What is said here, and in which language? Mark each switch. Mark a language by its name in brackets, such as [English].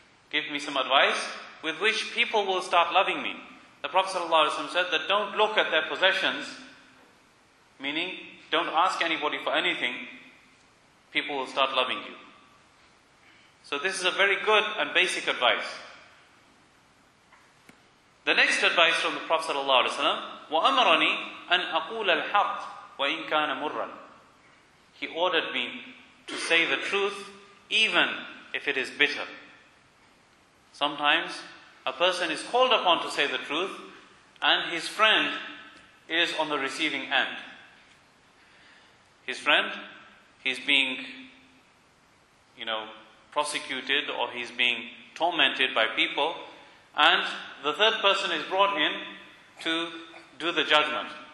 [English] Give me some advice with which people will start loving me. The Prophet sallallahu alaihi wasallam said that don't look at their possessions, meaning don't ask anybody for anything, people will start loving you. So this is a very good and basic advice. The next advice from the Prophet ﷺ, [Arabic] وَأَمَرَنِي أَنْ أَقُولَ الْحَقِّ وَإِنْ كَانَ مُرًّا. [English] He ordered me to say the truth even if it is bitter. Sometimes a person is called upon to say the truth and his friend is on the receiving end. His friend, he's being, you know, prosecuted or he's being tormented by people, and the third person is brought in to do the judgment.